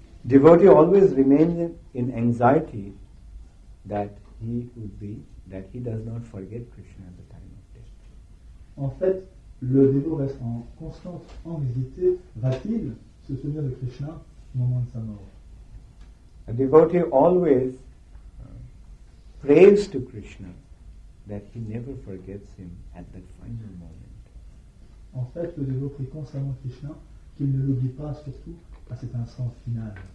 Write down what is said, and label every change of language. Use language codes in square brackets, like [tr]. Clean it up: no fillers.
[en] Devotee always remains in anxiety that he would be, that he does not forget Krishna at the time of death. [fr] En fait, le dévot reste en constante anxiété. Va-t-il se souvenir de Krishna au moment de sa mort? [en] A devotee always prays to Krishna that he never forgets him at that final moment. [fr] En fait, le dévot prie constamment Krishna qu'il ne l'oublie pas, surtout à cet instant final.